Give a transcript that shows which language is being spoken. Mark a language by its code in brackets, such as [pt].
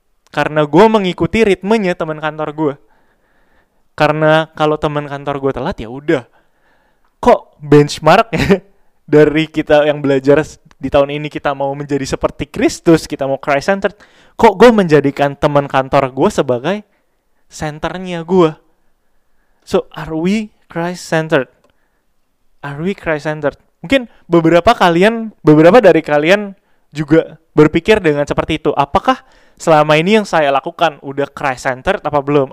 [id] karena gue mengikuti ritmenya teman kantor gue. Karena kalau teman kantor gue telat ya udah. Kok benchmarknya dari kita yang belajar di tahun ini kita mau menjadi seperti Kristus, kita mau Christ centered. Kok gue menjadikan teman kantor gue sebagai centernya gue? [en] So are we Christ centered? Are we Christ centered? [id] Mungkin beberapa dari kalian juga berpikir dengan seperti itu. Apakah selama ini yang saya lakukan udah Christ centered apa belum?